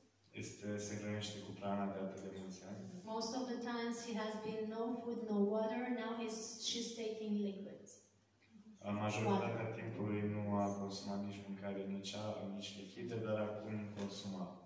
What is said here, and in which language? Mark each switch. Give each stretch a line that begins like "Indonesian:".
Romanian: Este, se hrănește cu prana de atât de mulți ani.
English: Most of the times he has been no food, no water. Now she's taking liquids.
Romanian: Majoritatea timpului nu a consumat nici mâncare, nici apă, nici lichide, dar acum consumă.